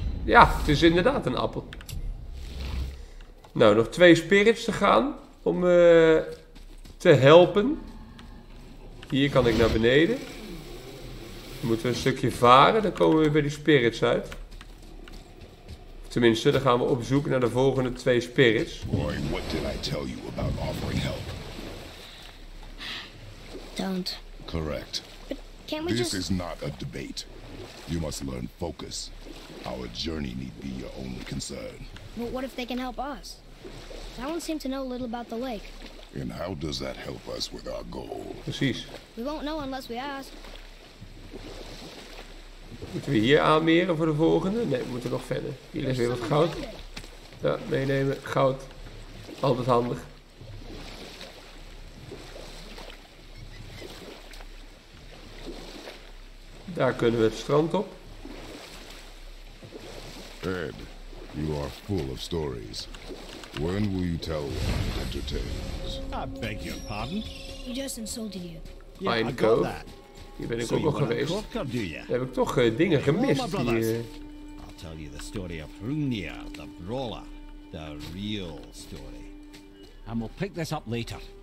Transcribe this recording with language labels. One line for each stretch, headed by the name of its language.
Dutch: Ja, het is inderdaad een appel. Nou, nog 2 spirits te gaan om te helpen. Hier kan ik naar beneden. Dan moeten we een stukje varen, dan komen we weer bij die spirits uit. Tenminste, dan gaan we op zoek naar de volgende 2 spirits.
English: Roy, what did I tell you about offering help? Don't. Correct. But can't we This just... is not a debate. You must learn focus. Our journey need be your only concern. But what if they can help us? That one seemed to know a little about the lake. And how does that help us with our goal?
Dutch: Precies.
English: We won't know unless we ask.
Dutch: Moeten we hier aanmeren voor de volgende? Nee, we moeten nog verder. Hier ligt weer wat goud. Ja, meenemen. Goud. Altijd handig. Daar kunnen we het strand op.
English: Ed, you are full of stories. When will you tell Hunter Tales? I beg your pardon? We just insulted you. Yeah, I got that.
Dutch: Hier ben ik ook al geweest. Daar heb ik toch dingen gemist hier.
English: I'll tell you the story of Hrungnir, the brawler. The real story. And we'll pick this up later.